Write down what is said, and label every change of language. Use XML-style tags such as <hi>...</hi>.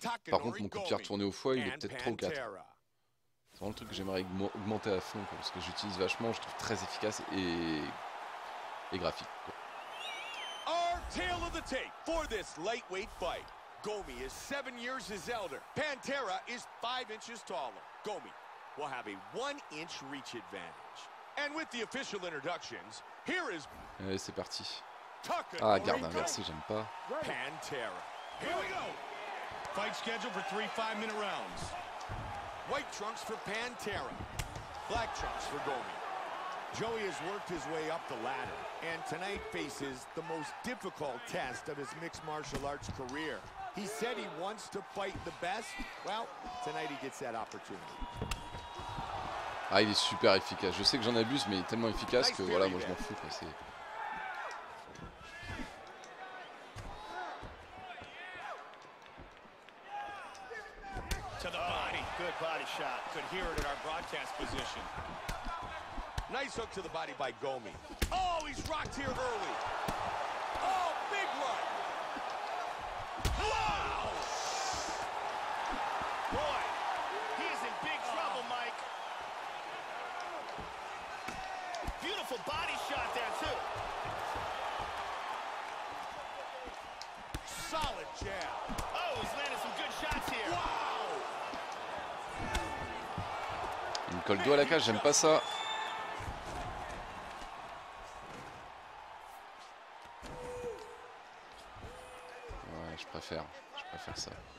<fr>Par contre, mon coup de pied retourné au foie, il est peut-être 3 ou 4. C'est vraiment le truc que j'aimerais augmenter à fond, quoi, parce que j'utilise vachement, je trouve très efficace et graphique, quoi.</fr> <en>Tail of the tape for this lightweight fight. Gomi is 7 years his elder. Pantera is 5 inches taller. Gomi will have a 1-inch reach advantage. And with the official introductions, here is.</en> <fr>Allez, c'est parti. Ah, garde inversé, j'aime pas.</fr> <en>Pantera. Here we go. Fight scheduled for 3 5-minute rounds. White trunks for Pantera. Black trunks for Gomi. Joey has worked his way up the ladder and tonight faces the most difficult test of his mixed martial arts career. He said he wants to fight the best. Well, tonight he gets that opportunity.</en> <fr>Ah, il est super efficace. Je sais que j'en abuse, mais il est tellement efficace que voilà, moi je m'en fous, quoi. C'est.</fr> <en>To the body. Good body shot. Could hear it in our broadcast position. Nice hook to the body by Gomi. Oh, he's rocked here early. Oh, big one. Wow! Boy, he is in big trouble, Mike. Beautiful body shot there, too. Solid jab. Oh, he's landing some good shots here. Wow!</en> <fr>Une colle d'eau à la cage, j'aime pas ça. Je préfère ça.</fr>